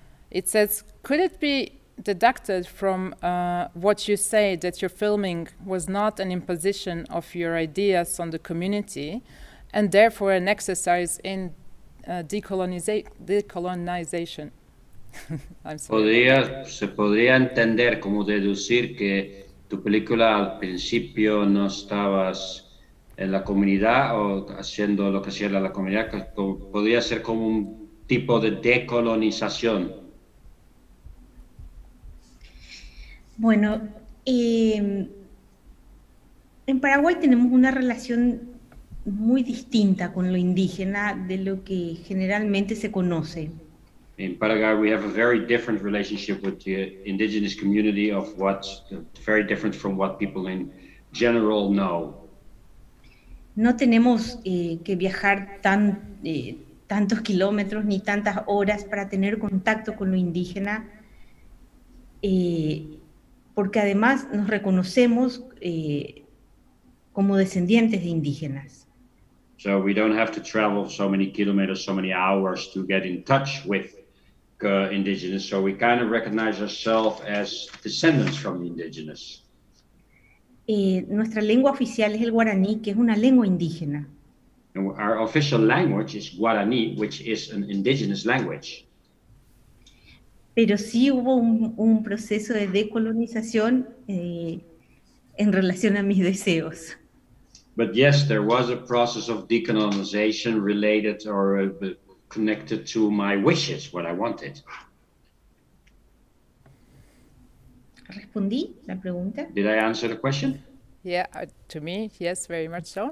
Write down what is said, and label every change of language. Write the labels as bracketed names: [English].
[English] It says, could it be deducted from what you say that your filming was not an imposition of your ideas on the community and therefore an exercise in decolonization? I'm sorry. [Spanish] Se podría entender como deducir que tu película al principio no estabas en la comunidad o haciendo lo que hacía la comunidad, podría ser como un tipo de decolonización. Bueno, en Paraguay tenemos una relación muy distinta con lo indígena de lo que generalmente se conoce. [English] In Paraguay we have a very different relationship with the indigenous community of what's very different from what people in general know. [Spanish] No tenemos que viajar tantos kilómetros ni tantas horas para tener contacto con lo indígena. Porque además nos reconocemos como descendientes de indígenas. [English] So we don't have to travel so many kilometers, so many hours to get in touch with indigenous. So we kind of recognize ourselves as descendants from the indigenous. [Spanish] Nuestra lengua oficial es el guaraní, que es una lengua indígena. [English] Our official language is Guarani, which is an indigenous language. [Spanish] Pero sí hubo un proceso de decolonización en relación a mis deseos. [English] But yes, there was a process of decolonization related or connected to my wishes, what I wanted. [Spanish] ¿Respondí la pregunta? [English] Did I answer the question? Yeah, to me, yes, very much so.